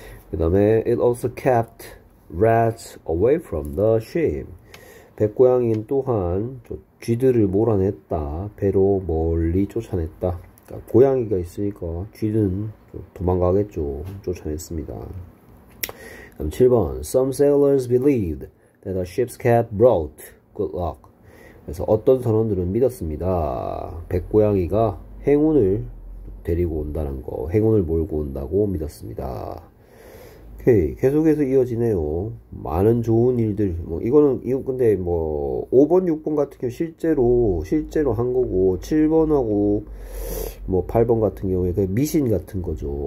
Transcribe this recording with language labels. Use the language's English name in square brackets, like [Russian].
[Korean] 그 다음에 [English] it also kept rats away from the ship. [Korean] 뱃고양이는 또한 저 쥐들을 몰아냈다. 배로 멀리 쫓아냈다. 고양이가 있으니까 쥐는 도망가겠죠. 쫓아냈습니다. 그럼 7번. [English] Some sailors believed that a ship's cat brought good luck. [Korean] 그래서 어떤 선원들은 믿었습니다. 뱃고양이가 행운을 데리고 온다는 거. 행운을 몰고 온다고 믿었습니다. 오케이. 계속해서 이어지네요. 많은 좋은 일들. 뭐, 이거는, 이거 근데 뭐, 5번, 6번 같은 경우 실제로 한 거고, 7번하고, 뭐, 8번 같은 경우에 그냥 미신 같은 거죠.